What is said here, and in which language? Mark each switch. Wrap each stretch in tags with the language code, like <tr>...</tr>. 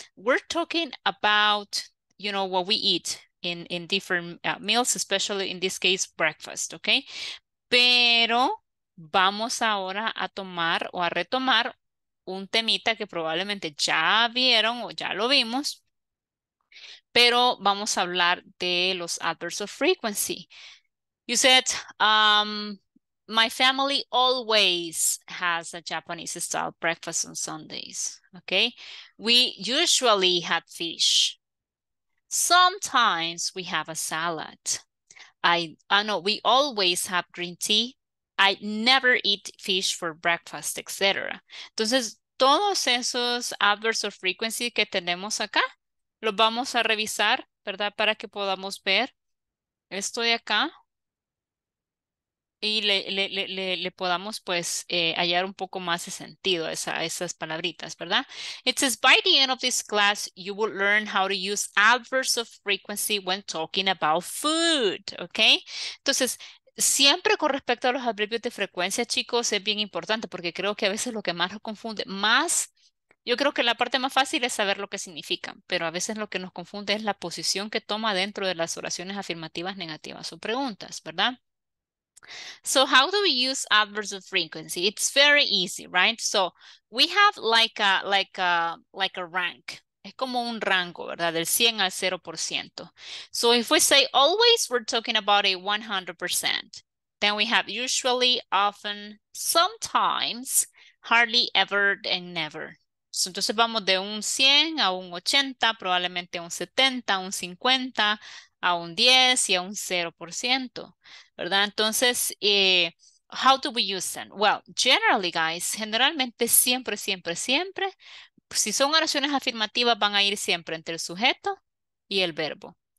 <en>We're talking about, you know, what we eat in different meals, especially in this case, breakfast, okay?</en> <es>Pero vamos ahora a tomar o a retomar un temita que probablemente ya vieron o ya lo vimos, pero vamos a hablar de los adverbs of frequency.</es> <en>You said, my family always has a Japanese-style breakfast on Sundays, okay? We usually had fish. Sometimes we have a salad. We always have green tea. I never eat fish for breakfast, etc.</en> <es>Entonces, todos esos adverbs of frequency que tenemos acá, los vamos a revisar, ¿verdad? Para que podamos ver esto de acá. Y le podamos, pues, hallar un poco más de sentido a esas palabritas, ¿verdad?</es> <en>It says, by the end of this class, you will learn how to use adverbs of frequency when talking about food, ¿ok?</en> <es>Entonces, siempre con respecto a los adverbios de frecuencia, chicos, es bien importante porque creo que a veces lo que más nos confunde, yo creo que la parte más fácil es saber lo que significan, pero a veces lo que nos confunde es la posición que toma dentro de las oraciones afirmativas, negativas o preguntas, ¿verdad?</es> <en>So how do we use adverbs of frequency? It's very easy, right? So we have like a rank.</en> <es>Es como un rango, ¿verdad? Del 100 al 0%.</es> <en>So if we say always, we're talking about a 100%. Then we have usually, often, sometimes, hardly ever, and never.</en> <es>So entonces vamos de un 100 a un 80, probablemente un 70, un 50, a un 10 y a un 0%, ¿verdad? Entonces,</es> <en>how do we use them? Well, generally, guys,</en> <es>generalmente siempre, siempre, siempre, si son oraciones afirmativas, van a ir siempre entre el sujeto y el verbo.</es>